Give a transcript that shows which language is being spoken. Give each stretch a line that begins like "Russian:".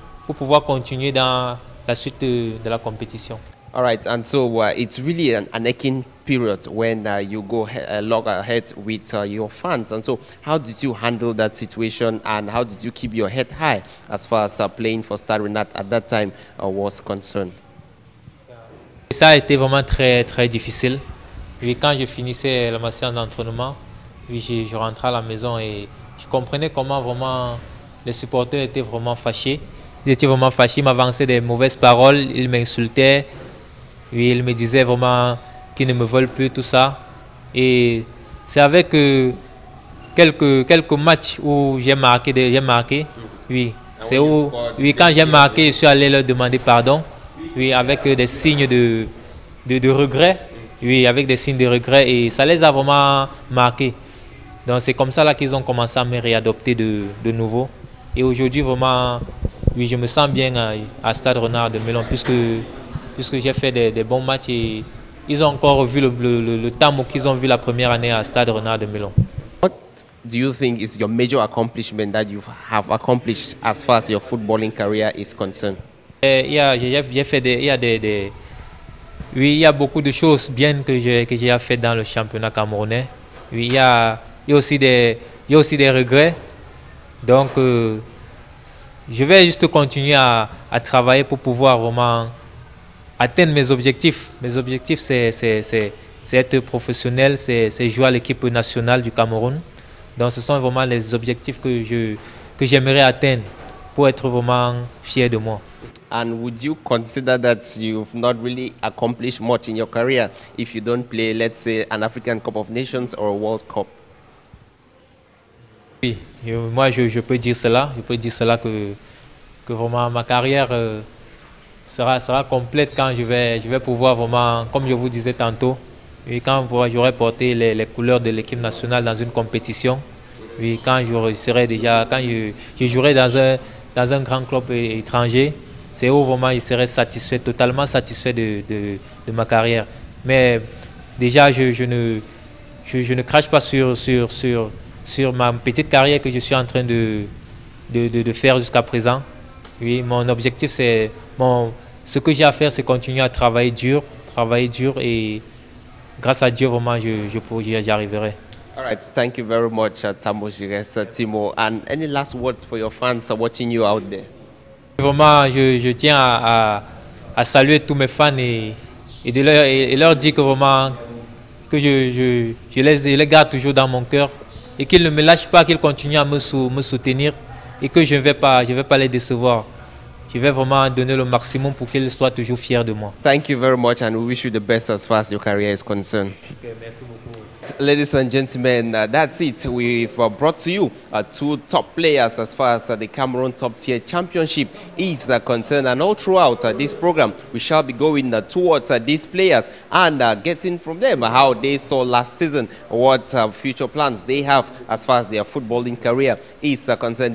French: pour pouvoir continuer dans la suite de la compétition.
English: All right, and so it's really an aching period when you go log ahead with your fans. And so how did you handle that situation and how did you keep your head high as far as playing for Stade Rennais at that time was concerned?
French: Ça a été vraiment très très difficile. Et quand je finissais ma séance d'entraînement, je rentrais à la maison et je comprenais comment vraiment les supporters étaient vraiment fâchés. Ils étaient vraiment fâchés, ils m'avançaient des mauvaises paroles, ils m'insultaient. Oui, il me disait vraiment qu'il ne me vole plus, tout ça. Et c'est avec quelques matchs où j'ai marqué. Oui, c'est où, oui, quand j'ai marqué, je suis allé leur demander pardon. Oui, avec des signes de regret. Oui, avec des signes de regret. Et ça les a vraiment marqués. Donc c'est comme ça là qu'ils ont commencé à me réadopter de nouveau. Et aujourd'hui, vraiment, oui, je me sens bien à Stade Rennais de Melun puisque j'ai fait des bons matchs et ils ont encore vu le temps qu'ils ont vu la première année à Stade Rennais de Melun.
English: What do you think is your major accomplishment that you have accomplished as far as your footballing career is concerned?
French: Il y a beaucoup de choses bien que j'ai fait dans le championnat camerounais. Oui, il y a aussi des regrets. Donc je vais juste continuer à travailler pour pouvoir vraiment atteindre mes objectifs. Mes objectifs, c'est être professionnel, c'est jouer à l'équipe nationale du Cameroun. Donc ce sont vraiment les objectifs que j'aimerais atteindre pour être vraiment fier de moi.
English: And would you consider that you've not really accomplished much in your career if you don't play, let's say, an African Cup of Nations or a World Cup?
French: Oui, moi je peux dire cela. Je peux dire cela que vraiment ma carrière sera complète quand je vais pouvoir vraiment, comme je vous disais tantôt, oui, quand j'aurai porté les couleurs de l'équipe nationale dans une compétition, oui, quand je jouerai dans un grand club étranger, c'est où vraiment je serai satisfait, totalement satisfait de ma carrière. Mais déjà je ne crache pas sur ma petite carrière que je suis en train de faire jusqu'à présent. Oui, mon objectif, ce que j'ai à faire, c'est continuer à travailler dur et grâce à Dieu, vraiment, j'y arriverai.
English: All right, thank you very much, Tambo Jires, Timo. And any last words for your fans watching you out there?
French: Vraiment, je tiens à saluer tous mes fans et leur dire que vraiment, que je les garde toujours dans mon cœur et qu'ils ne me lâchent pas, qu'ils continuent à me soutenir et que je ne vais pas les décevoir. Je vais vraiment donner le maximum pour qu'ils soient toujours fiers de moi.
English: Thank you very much and we wish you the best as far as your career is concerned. Ladies and gentlemen, that's it. We've brought to you two top players as far as the Cameroon Top Tier Championship is concerned. And all throughout this program, we shall be going towards these players and getting from them how they saw last season, what future plans they have as far as their footballing career is concerned.